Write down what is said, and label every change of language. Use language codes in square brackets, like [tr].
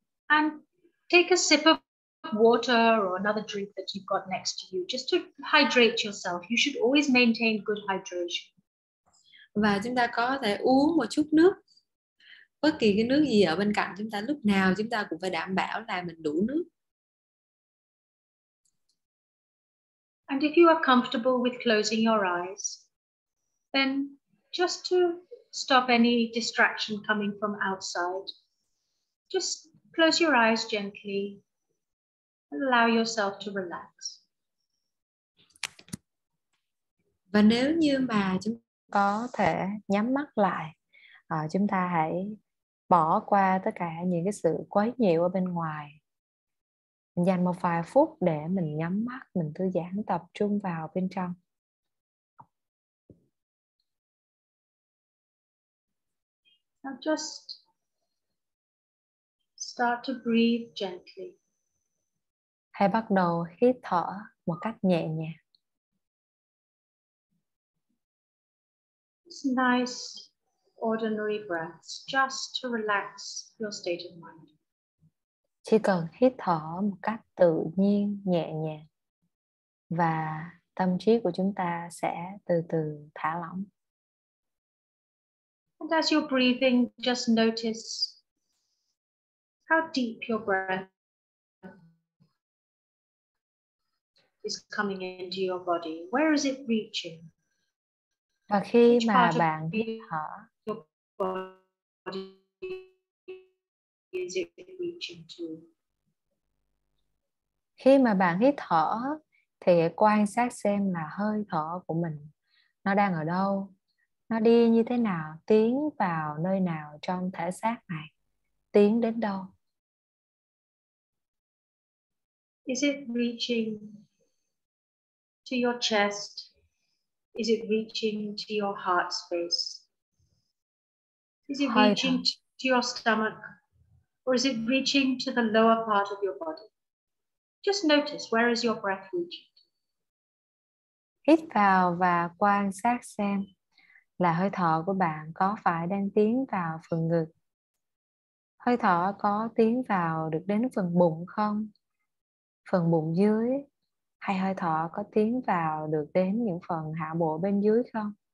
[en] And take a sip of water or another drink that you've got next to you just to hydrate yourself. You should always maintain good hydration. [vi] Và chúng ta có thể uống một chút nước. Bất kỳ cái nước gì ở bên cạnh chúng ta lúc nào chúng ta cũng phải đảm bảo là mình đủ nước. [en] And if you are comfortable with closing your eyes, then just to stop any distraction coming from outside, just close your eyes gently and allow yourself to relax. [vi] Và nếu như mà chúng ta có thể nhắm mắt lại, chúng ta hãy bỏ qua tất cả những cái sự quấy nhiễu ở bên ngoài. Dành một vài phút để mình nhắm mắt, mình thư giãn, tập trung vào bên trong. [en] Now just start to breathe gently. [vi] Hãy bắt đầu hít thở một cách nhẹ nhàng. [en] It's nice, ordinary breaths, just to relax your state of mind. [vi] Chỉ cần hít thở một cách tự nhiên, nhẹ nhàng và tâm trí của chúng ta sẽ từ từ thả lỏng. [en] And as you're breathing, just notice how deep your breath is coming into your body. Where is it reaching? [vi] Và khi mà bạn hít thở, [en] your body is reaching to. [vi] Khi mà bạn hít thở thì hãy quan sát xem là hơi thở của mình nó đang ở đâu, nó đi như thế nào, tiến vào nơi nào trong thể xác này, tiến đến đâu. [en] Is it reaching to your chest? Is it reaching to your heart space? Is it reaching to your stomach? Or is it reaching to the lower part of your body? Just notice where is your breath reaching. [vi] Hít vào và quan sát xem là hơi thở của bạn có phải đang tiến vào phần ngực, Hơi thở có tiến vào được đến phần bụng không? Phần bụng dưới, hay hơi thở có tiến vào được đến những phần hạ bộ bên dưới không?